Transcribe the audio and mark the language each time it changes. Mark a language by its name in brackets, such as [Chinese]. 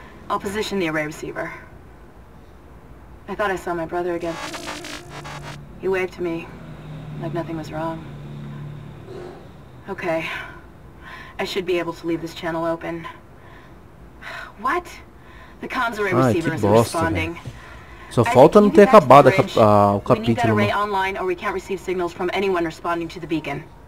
[English] I'll position the array receiver. I thought I saw my brother again. He waved to me like nothing was wrong. Okay. I should be able to leave this channel open. What? The comms array receiver is responding. [Portuguese] Só falta não ter acabado o capítulo. [English] We need that array online or we can't receive signals from anyone responding to the beacon.